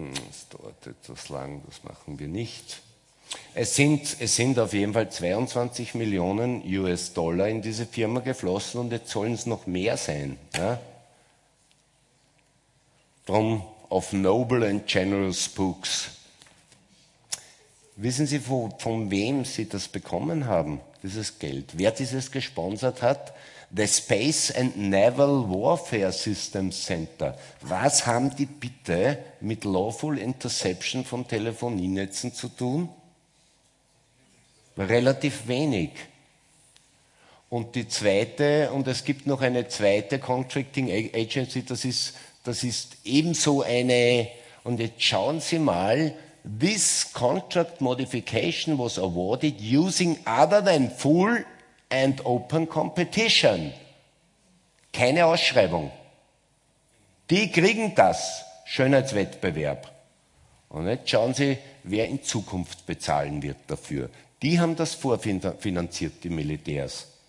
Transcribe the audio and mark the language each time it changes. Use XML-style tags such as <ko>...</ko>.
<de>Es dauert etwas lang, das machen wir nicht. Es sind auf jeden Fall 22 Millionen US-Dollar in diese Firma geflossen und jetzt sollen es noch mehr sein. Ja?</de> <en>Drum of noble and generous spooks.</en> <de>Wissen Sie, von wem Sie das bekommen haben, dieses Geld? Wer dieses gesponsert hat? The Space and Naval Warfare Systems Center. Was haben die bitte mit Lawful Interception von Telefonienetzen zu tun? Relativ wenig. Und die zweite, und es gibt noch eine zweite Contracting Agency, das ist ebenso eine, und jetzt schauen Sie mal,</de> <en>this contract modification was awarded using other than full and open competition.</en> <de>Keine Ausschreibung. Die kriegen das Schönheitswettbewerb. Und jetzt schauen Sie, wer in Zukunft bezahlen wird dafür. Die haben das vorfinanziert, die Militärs.</de>